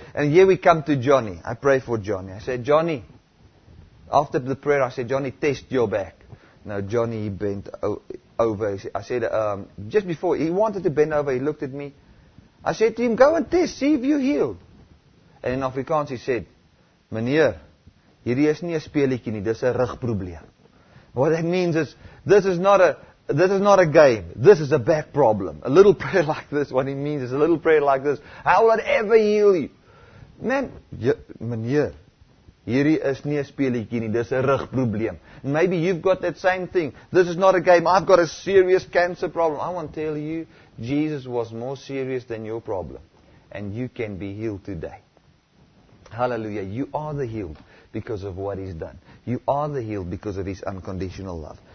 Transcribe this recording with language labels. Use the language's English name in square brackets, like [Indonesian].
[English] And here we come to Johnny. I pray for Johnny. I said, Johnny, after the prayer, I said, Johnny, test your back. Now, Johnny, he bent over. I said, just before he wanted to bend over, he looked at me. I said to him, go and test, see if you're healed. And in Afrikaans, he said, [Afrikaans] meneer, hier is nie 'n speelietjie nie, dis 'n rugprobleem. [English] What that means is, this is not a game. This is a back problem. A little prayer like this, what he means is a little prayer like this. How will it ever heal you? [Afrikaans] Man, meneer, hierdie is nie 'n speelietjie nie, dis 'n rugprobleem. [English] Maybe you've got that same thing. This is not a game. I've got a serious cancer problem. I want to tell you, Jesus was more serious than your problem. And you can be healed today. Hallelujah. You are the healed because of what He's done. You are the healed because of His unconditional love.